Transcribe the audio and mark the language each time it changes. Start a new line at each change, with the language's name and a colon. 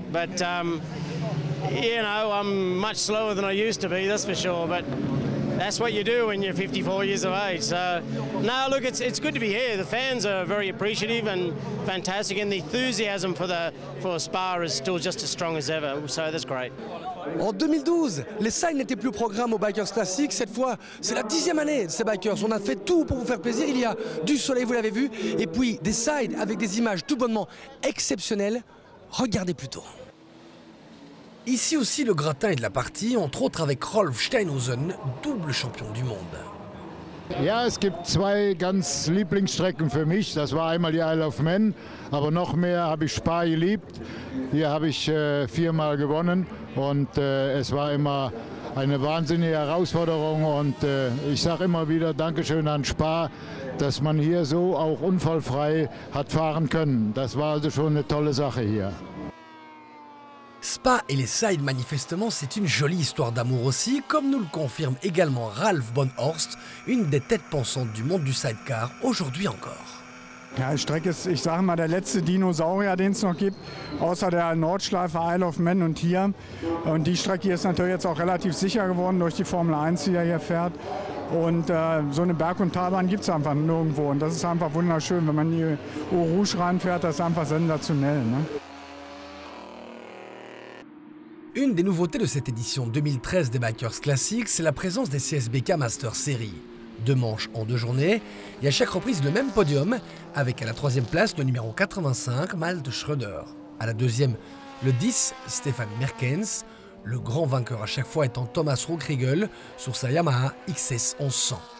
English: But, you know, I'm much slower than I used to be, that's for sure. But that's what you do when you're 54 years of age. So, no, look, it's good to be here. The fans are very appreciative and fantastic, and the enthusiasm for Spa is still just as strong as ever. So that's great.
French: En 2012, les Signs n'étaient plus au programme aux Bikers Classic. Cette fois, c'est la 10e année de ces Bikers. On a fait tout pour vous faire plaisir. Il y a du soleil, vous l'avez vu, et puis des Signs avec des images tout bonnement exceptionnelles. Regardez plutôt. Ici aussi, le gratin est de la partie, entre autres avec Rolf Steinhausen, double champion du monde.
German: Ja, es gibt zwei ganz Lieblingsstrecken für mich. Das war einmal die Isle of Man, aber noch mehr habe ich Spa geliebt. Hier habe ich viermal gewonnen und es war immer eine wahnsinnige Herausforderung. Und ich sage immer wieder Dankeschön an Spa, dass man hier so auch unfallfrei hat fahren können. Das war also schon eine tolle Sache hier.
French: Spa et les Signs, manifestement, c'est une jolie histoire d'amour aussi, comme nous le confirme également Ralf Bonhorst, une des têtes pensantes du monde du sidecar, aujourd'hui encore.
German: Ja, die Strecke ist, ich sage mal, der letzte Dinosaurier, den es noch gibt, außer der Nordschleife Isle of Man und hier. Und die Strecke ist natürlich jetzt auch relativ sicher geworden durch die Formel 1, die hier fährt. Und so eine Berg- und Talbahn gibt es einfach nirgendwo. Und das ist einfach wunderschön, wenn man hier Eau Rouge reinfährt, das ist einfach sensationell. Ne?
French: Une des nouveautés de cette édition 2013 des Bikers Classic, c'est la présence des CSBK Master Series. Deux manches en deux journées, et à chaque reprise le même podium, avec à la troisième place le numéro 85, Malte Schröder. À la deuxième, le 10, Stefan Merkens. Le grand vainqueur à chaque fois étant Thomas Rookriegel sur sa Yamaha XS1100.